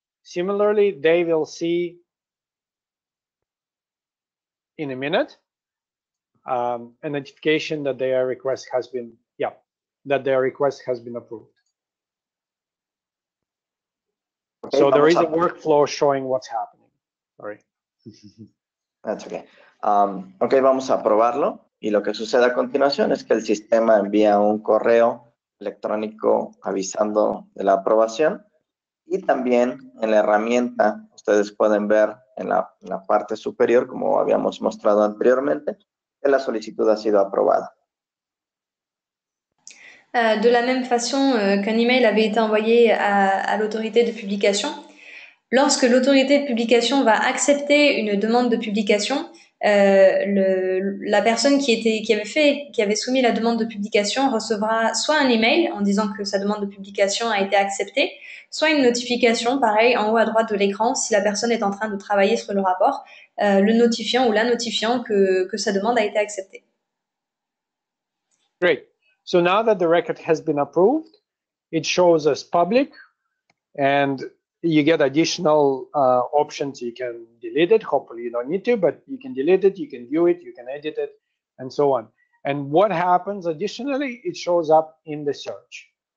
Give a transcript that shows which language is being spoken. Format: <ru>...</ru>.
<en>Similarly, they will see in a minute a notification that their request has been, that their request has been approved. Okay, so there is a workflow showing what's happening. Sorry. That's okay. Okay,</en> <es>vamos a probarlo. Y lo que sucede a continuación es que el sistema envía un correo electrónico avisando de la aprobación. Y también en la herramienta, ustedes pueden ver en la parte superior, como habíamos mostrado anteriormente, que la solicitud ha sido aprobada.</es> <fr>De la même façon qu'un email avait été envoyé à l'autorité de publication, lorsque l'autorité de publication va accepter une demande de publication, la personne qui avait soumis la demande de publication recevra soit un email en disant que sa demande de publication a été acceptée, soit une notification, pareil, en haut à droite de l'écran, si la personne est en train de travailler sur le rapport, le notifiant ou la notifiant que sa demande a été acceptée.</fr> <en>Great. So now that the record has been approved, it shows as public, and you get additional options. You can delete it. Hopefully you don't need to, but you can delete it, you can view it, you can edit it, and so on. And what happens additionally, it shows up in the search.</en>